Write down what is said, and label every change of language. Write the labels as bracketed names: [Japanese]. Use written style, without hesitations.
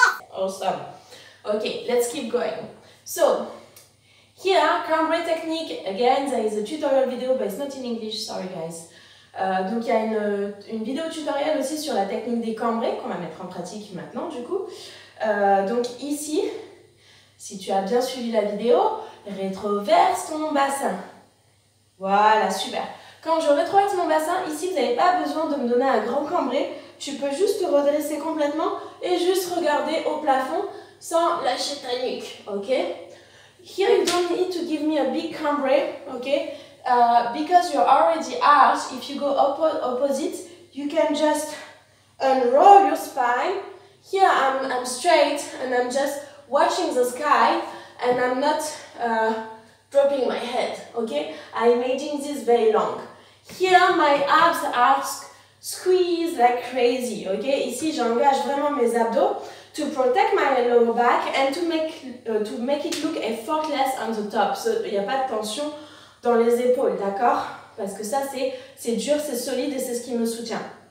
[English] Awesome. Okay, let's keep going. So, here, cambré technique. Again, there is a tutorial video, but it's not in English, sorry guys. [French] Donc il y a une vidéo tutoriel aussi sur la technique des cambrés qu'on va mettre en pratique maintenant du coup. Donc ici, si tu as bien suivi la vidéo, rétroverse ton bassin. Voilà, super. Quand je rétroverse mon bassin, ici vous n'avez pas besoin de me donner un grand cambré. Tu peux juste te redresser complètement et juste regarder au plafond sans lâcher ta nuque, ok? [English] Here you don't need to give me a big cambré, ok? Because you're already out, if you go opposite, you can just unroll your spine. Here I'm straight and I'm just watching the sky and I'm not dropping my head, okay? I'm making this very long. Here my abs are squeezed like crazy, okay? [French] Ici j'engage vraiment mes abdos. [English] to protect my lower back and to make it look effortless on the top. [French] So, il n'y a pas de tension dans les épaules, d'accord? Parce que ça, c'est dur, c'est solide et c'est ce qui me soutient.